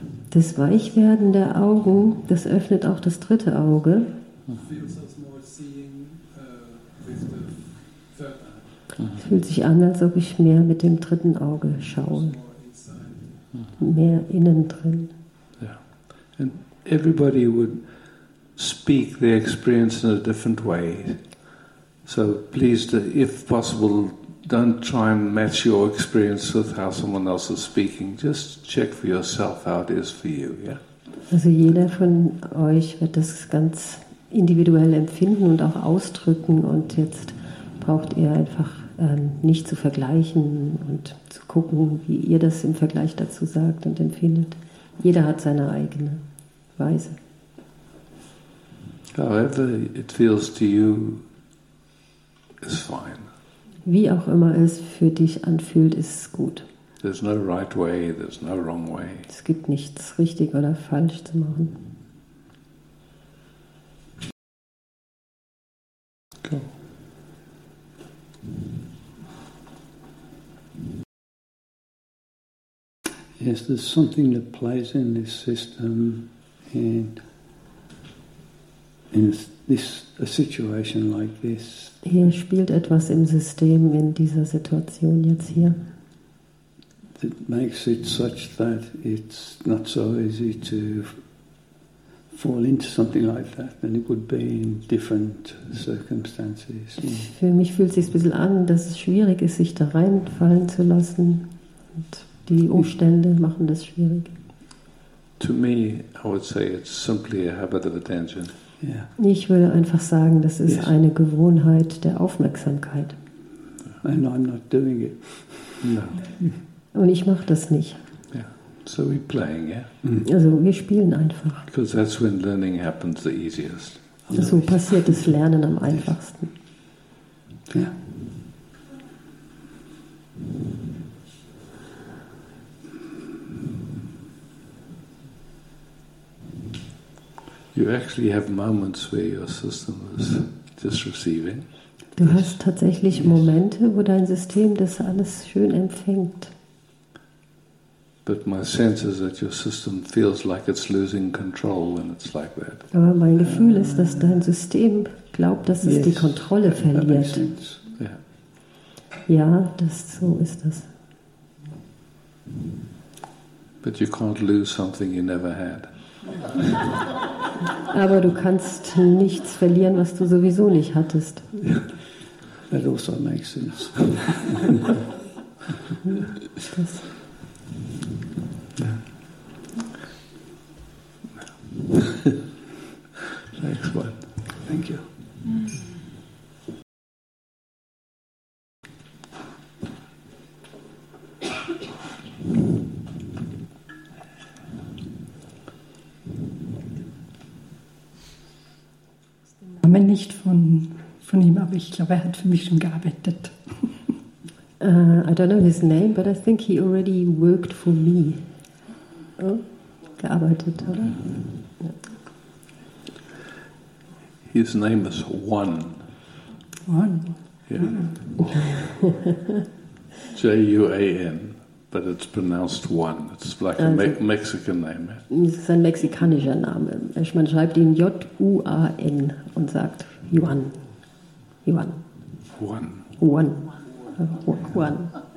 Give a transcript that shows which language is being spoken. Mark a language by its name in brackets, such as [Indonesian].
[German] Das Weichwerden der Augen, das öffnet auch das dritte Auge. Es fühlt sich an, als ob ich mehr mit dem dritten Auge schaue. Mehr innen drin. Ja. [English] And everybody would speak their experience in a different way. So please, if possible, don't try and match your experience with how someone else is speaking. Just check for yourself how it is for you. Yeah? [German] Also jeder von euch wird das ganz individuell empfinden und auch ausdrücken. Und jetzt braucht ihr einfach nicht zu vergleichen und zu gucken, wie ihr das im Vergleich dazu sagt und empfindet. Jeder hat seine eigene Weise. [English] However it feels to you is fine. [German] Wie auch immer es für dich anfühlt, ist es gut. [English] There's no right way, there's no wrong way. [German] Es gibt nichts richtig oder falsch zu machen. [English] Cool. Yes, there's something that plays in this system and in this a situation like this. [German] Hier spielt etwas im System in dieser Situation jetzt hier. [English] It makes it such that it's not so easy to fall into something like that than it would be in different circumstances. [German] Für mich fühlt es sich ein bisschen an, dass es schwierig ist, sich da reinfallen zu lassen. Und die Umstände machen das schwierig. [English] To me, I would say it's simply a habit of attention. Yeah. [German] Ich würde einfach sagen, das ist yes. Eine Gewohnheit der Aufmerksamkeit. [English] And I'm not doing it. No. [German] Und ich mache das nicht. [English] Yeah. So we're playing, yeah? [German] Also wir spielen einfach. [English] Because that's when learning happens the easiest. [German] Also so passiert das Lernen am einfachsten. Ja. Yeah. [English] You actually have moments where your system is just receiving. [German] Du hast tatsächlich Momente, wo dein System das alles schön empfängt. [English] But my sense is that your system feels like it's losing control when it's like that. [German] Aber mein Gefühl ist, dass dein System glaubt, dass es die Kontrolle verliert. [English] That makes sense. [German] Yeah. Ja, das so ist das. [English] But you can't lose something you never had. [German] Aber du kannst nichts verlieren, was du sowieso nicht hattest. [English] That also makes sense. [German] Das. [English] Next one. Thank you. Mm-hmm. [German] nicht von ihm, aber ich glaube, er hat für mich schon gearbeitet. [English] I don't know his name, but I think he already worked for me. [German] Oh, gearbeitet, oder? [English] Yeah. His name is Juan. Juan? Yeah. J-U-A-N, but it's pronounced Juan. It's like a Mexican name. [German] Es ist ein mexikanischer Name. Man schreibt ihn J-U-A-N und sagt Juan. Juan. Juan. Juan. One.